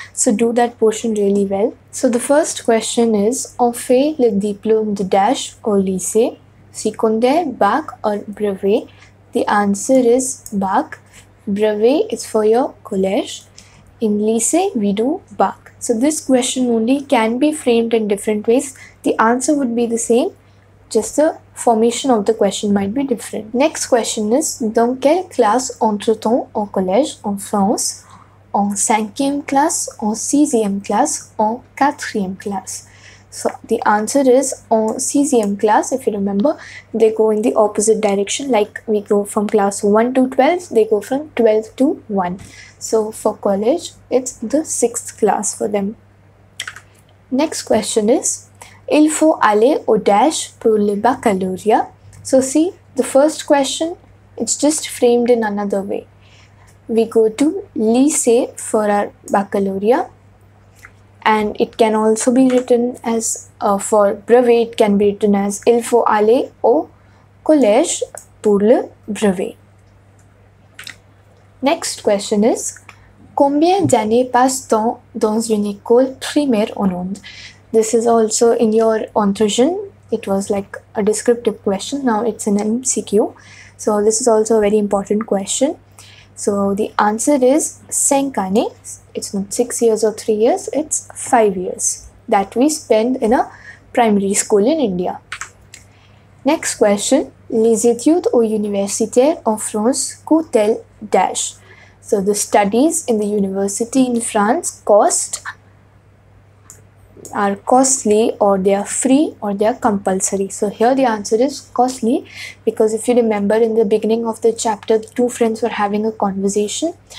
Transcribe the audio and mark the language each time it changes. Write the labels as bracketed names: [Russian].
[English] So do that portion really well. So the first question is, [French] on fait le diplôme de dash au lycée, secondaire, bac [English] or brevet? The answer is bac. Brevet is for your college. In lycée, we do bac. So this question only can be framed in different ways. The answer would be the same, just the formation of the question might be different. Next question is, [French] dans quelle classe entre-t-on au collège en France? En cinquième classe, en sixième classe, en quatrième classe? [English] So the answer is [French] en sixième classe. [English] If you remember, they go in the opposite direction, like we go from class 1 to 12, they go from 12 to 1. So for college, it's the sixth class for them. Next question is, [French] il faut aller au dash pour le baccalauréat. [English] So see, the first question, it's just framed in another way. We go to lycée for our baccalauréat. And it can also be written as for brevet, it can be written as [French] il faut aller au collège pour le brevet. [English] Next question is, [French] combien d'années passe-t-on dans une école primaire en onde? [English] This is also in your entrevision. It was like a descriptive question. Now it's an MCQ. So this is also a very important question. So the answer is 5 années. It's not 6 years or 3 years, it's 5 years that we spend in a primary school in India. Next question, [French] les études ou universitaires en France coûtent-elles dash? [English] So the studies in the university in France are costly or they are free or they are compulsory. So here the answer is costly, because if you remember in the beginning of the chapter, the two friends were having a conversation.